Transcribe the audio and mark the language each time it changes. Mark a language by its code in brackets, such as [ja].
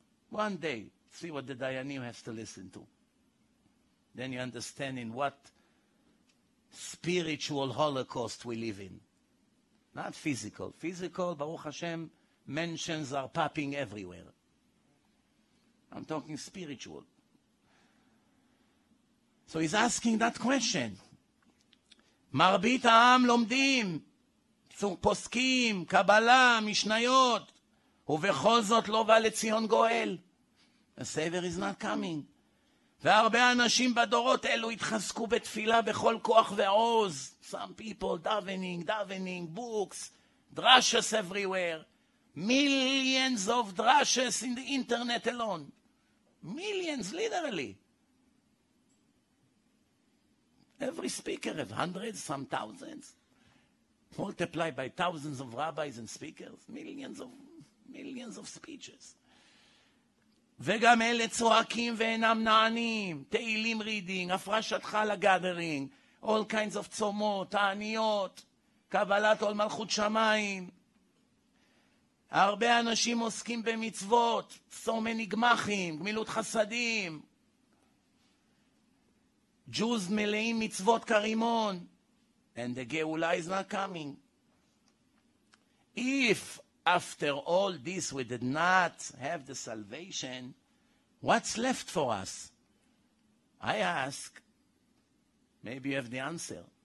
[en] One day, see what the Dayanim has to listen to. Then you understand in what spiritual holocaust we live in. Not physical. Physical, Baruch Hashem, mansions are popping everywhere. I'm talking spiritual. So he's asking that question. [he] מרבית העם לומדים, פוסקים, קבלה, משניות, ובכל זאת לא בא לציון גואל. [en] The Savior is not coming. [he] והרבה אנשים בדורות אלו התחזקו בתפילה בכל כוח ועוז. [en] Some people davening, books, drashes everywhere. Millions of drashes in the internet alone. Millions, literally. Every speaker has hundreds, some thousands. Multiplied by thousands of rabbis and speakers. Millions of speeches. [he] וגם אלה צועקים ואינם נענים. תהילים reading, הפרשת חלה gathering, [en] all kinds of [he] צומות, תעניות, קבלת עול מלכות שמיים. הרבה אנשים עוסקים במצוות, צומן נגמחים, גמילות חסדים. Jews מלאים מצוות כרימון. [en] And the Geulah is not coming. If after all this we did not have the salvation, what's left for us? I ask, maybe you have the answer.